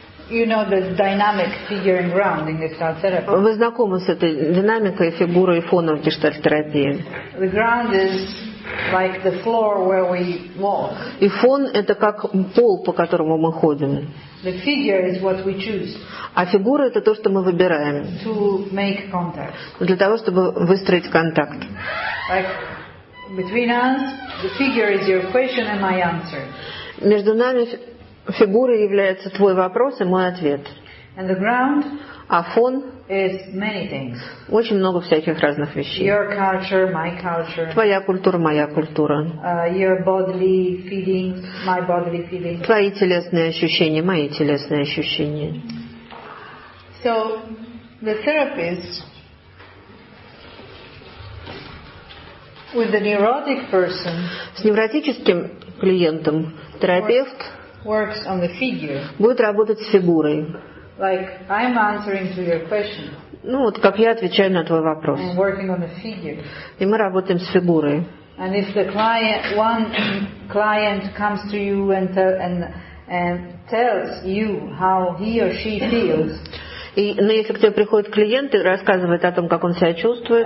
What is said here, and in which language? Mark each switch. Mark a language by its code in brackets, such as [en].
[en] You know the dynamic figure and ground in gestalt therapy. [ru] Вы знакомы с этой динамикой фигуры и фона в гештальт терапии? [en] The ground is like the floor where we walk. [ru] И фон это как пол, по которому мы ходим. [en] The figure is what we choose. [ru] А фигура это то, что мы выбираем. [en] To make contact. [ru] Для того, чтобы выстроить контакт. [en] Like between us, the figure is your question and my answer. [ru] Между нами фигура является твой вопрос и мой ответ. [en] And the ground, [ru] а фон [en] is many things. [ru] Очень много всяких разных вещей. [en] Your culture, my culture. [ru] Твоя культура, моя культура. [en] Your bodily feelings, my bodily feelings. [ru] Твои телесные ощущения, мои телесные ощущения. [en] So, the therapist with the neurotic person, [ru] с невротическим клиентом терапевт [en] works on the figure. [ru] Будет работать с фигурой. [en] Like I'm answering to your question. [ru] Ну вот как я отвечаю на твой вопрос. [en] I'm working on the figure. [ru] И мы работаем с фигурой. [en] And if the client comes to you and tells you how he or she feels. [ru] И ну, если к тебе приходит клиент и рассказывает о том, как он себя чувствует.